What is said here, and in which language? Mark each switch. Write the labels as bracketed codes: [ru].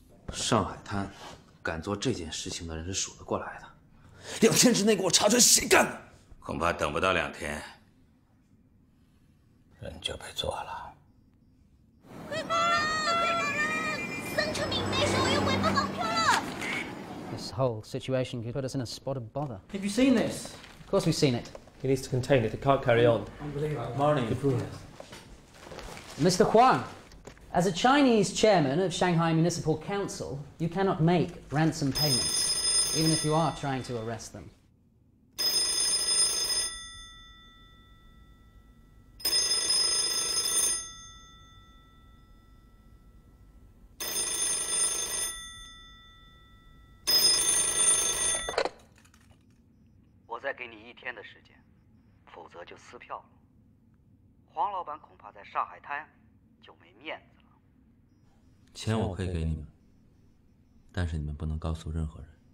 [zh] 上海滩，敢做这件事情的人是数得过来的。两天之内给我查出来谁干的！恐怕等不到两天，人就被做了。鬼包啊！鬼包！孙成明没事，我用鬼包绑票了。 [en] This whole situation could put us in a spot of bother. Have you seen this? Of course we've seen it. He needs to contain it. It can't carry on. Unbelievable. Morning. Good morning. Yes. Mr. Huang. As a Chinese chairman of Shanghai Municipal Council, you cannot make ransom payments, even if you are trying to arrest them. I will give you 1 day of time, otherwise you will be sold. [zh] Huang 老板恐怕在上海滩就没面子。钱我可以给你们，但是你们不能告诉任何人。